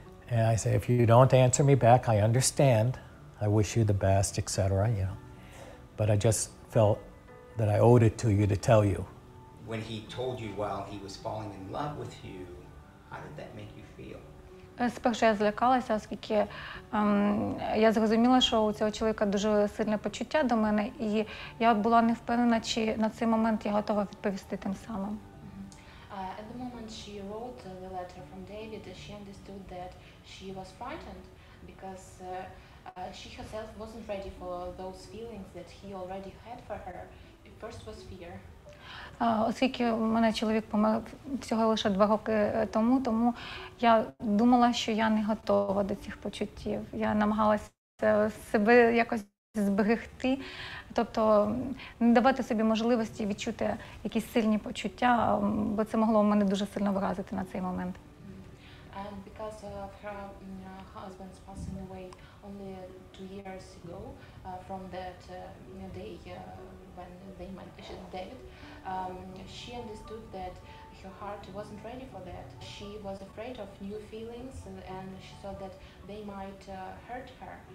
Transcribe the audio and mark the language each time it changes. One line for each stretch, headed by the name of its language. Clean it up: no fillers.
English: And I say, if you don't answer me back, I understand. I wish you the best, et cetera, you know. But I just felt that I owed it to you to tell you. When he told you while he was falling in love with you, how did that make you feel?
Ukrainian: Спершу я злякалася, оскільки я зрозуміла, що у цього чоловіка дуже сильне почуття до мене, і я була не впевнена, чи на цей момент я готова відповісти тим самим.
English: At the moment she wrote the letter from David, she understood that she was frightened because she herself wasn't ready for those feelings that he already had for her. It first was fear.
Ukrainian: Оскільки у мене чоловік помер всього лише 2 роки тому, тому я думала, що я не готова до цих почуттів. Я намагалася себе якось зберегти, тобто не давати собі можливості відчути якісь сильні почуття, бо це могло мене дуже сильно вразити на цей момент.
English: And because of her husband's passing away only 2 years ago, from that day when they met David, she understood that her heart wasn't ready for that. She was afraid of new feelings and she thought that they might hurt her.